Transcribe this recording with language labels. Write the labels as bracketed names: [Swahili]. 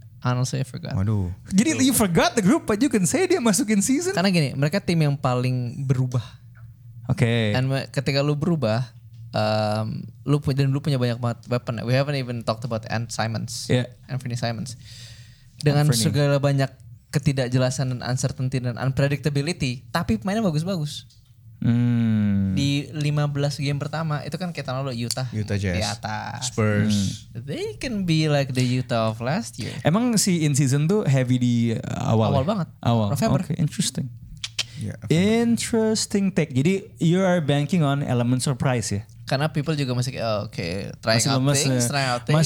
[English] Honestly, I forgot. [Indonesian] Waduh. [English] Jadi you forgot the group, but you can say [Indonesian] dia masuk [English] in season? [Indonesian] Karena gini, mereka tim yang paling berubah. Oke. Okay. Dan ketika lu berubah, lu punya banyak banget weapon. [English] We haven't even talked about Anthony Simons. Yeah. [Indonesian] Anthony Simons. Dengan segala banyak ketidakjelasan dan uncertainty dan unpredictability, tapi pemainnya bagus-bagus. Di 15 game pertama itu kan kayak tahun lalu Utah Jazz di atas Spurs. [English] They can be like the Utah of last year. [Indonesian] Emang si in season tuh heavy di awal banget. [English] Awal. November. Okay, interesting. Yeah, interesting take. Jadi you are banking on element surprise ya. [Indonesian] Karena people juga masih kayak, [English] trying out things.